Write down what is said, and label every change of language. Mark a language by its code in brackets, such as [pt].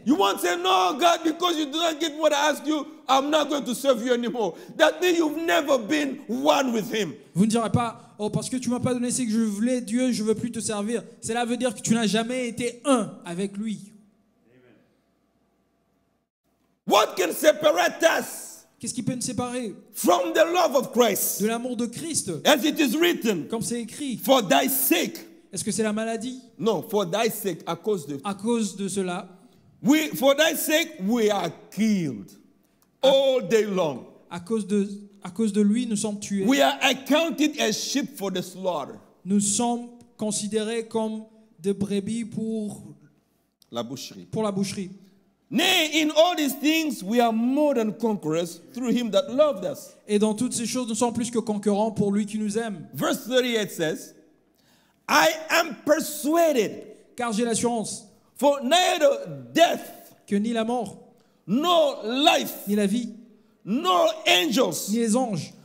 [en] You won't say no God because you didn't give what I asked you. I'm not going to serve you anymore. That means you've never been one with him. [fr] Vous ne direz pas oh parce que tu m'as pas donné ce que je voulais Dieu je veux plus te servir. Cela veut dire que tu n'as jamais été un avec lui. [en] Amen. What can separate us? [fr] Qu'est-ce qui peut nous séparer? [en] From the love of Christ. [fr] De l'amour de Christ. [en] As it is written. [fr] Comme c'est écrit. [en] For thy sake. [fr] Est-ce que c'est la maladie? [en] No, for thy sake, [fr] à cause de. À cause de cela. [en] We, for thy sake, we are killed all day long. [fr] À cause de lui, nous sommes tués. [en] We are accounted as sheep for the slaughter. [fr] Nous sommes considérés comme des brebis pour la boucherie. Pour la boucherie. [en] Nay, in all these things, we are more than conquerors through Him that loved us. [fr] Et dans toutes ces choses, nous sommes plus que conquérants pour lui qui nous aime. [en] Verse 38 says, "I am persuaded." [fr] Car j'ai l'assurance. [en] For neither death, [fr] que ni la mort, [en] nor life, [fr] ni la vie, [en] nor angels, [fr] ni les anges,